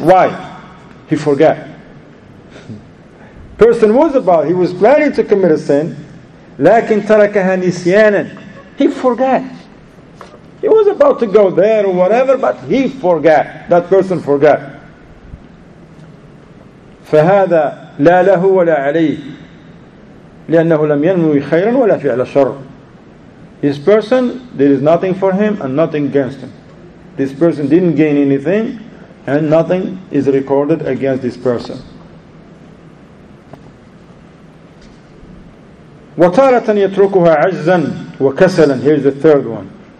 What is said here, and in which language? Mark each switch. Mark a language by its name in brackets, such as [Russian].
[English] Why? He forgot. Person was about, he was planning to commit a sin, [Arabic] لكن تركها نسيانا. [English] He forgot. He was about to go there or whatever, but he forgot. That person forgot. [Arabic] فهذا لا له ولا عليه لأنه لم ينوي خيرا ولا فعل شر. [English] This person, there is nothing for him and nothing against him. This person didn't gain anything and nothing is recorded against this person. [Arabic] وَتَارَةً يَتْرُكُهَا عَجْزًا وَكَسَلًا. [English] Here's the third one.